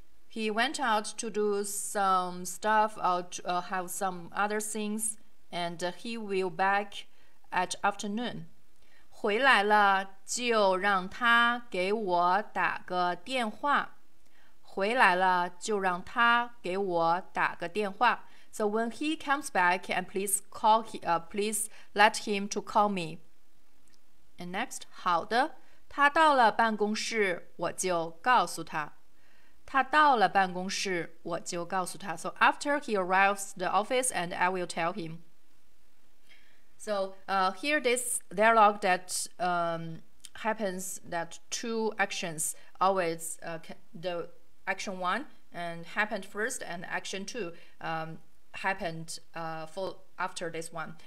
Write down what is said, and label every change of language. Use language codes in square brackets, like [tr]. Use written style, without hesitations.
[en] He went out to do some stuff or to, have some other things, and he will back at afternoon. [zh] 回来了就让他给我打个电话。回来了就让他给我打个电话。 [en] So when he comes back, and please call please let him to call me. And next, [zh] 好的，他到了办公室我就告诉他。他到了办公室我就告诉他。 [en] So after he arrives the office, and I will tell him. So here this dialogue that happens that two actions always the action one and happened first and action two happened for after this one.